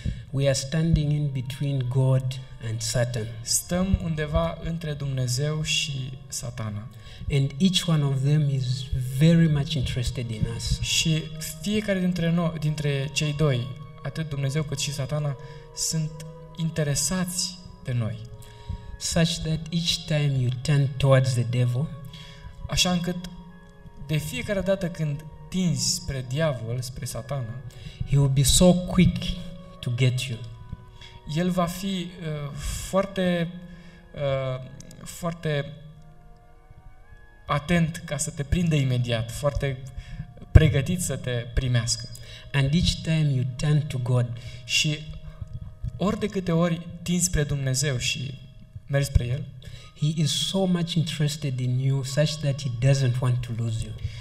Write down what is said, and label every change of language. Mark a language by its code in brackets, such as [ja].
[en] We are standing in between God and Satan. [ro] Stăm undeva între Dumnezeu și Satana. [en] And each one of them is very much interested in us. [ro] Și fiecare dintre noi, dintre cei doi, atât Dumnezeu cât și Satana, sunt interesați de noi. [en] Such that each time you turn towards the devil, [ro] așa încât de fiecare dată când tinzi spre diavol, spre Satana, [en] he will be so quick to get you. [ro] El va fi foarte foarte atent ca să te prindă imediat, foarte pregătit să te primească. [en] And each time you turn to God, [ro] și ori de câte ori tinzi spre Dumnezeu și mergi spre el, [en] he is so much interested in you such that he doesn't want to lose you.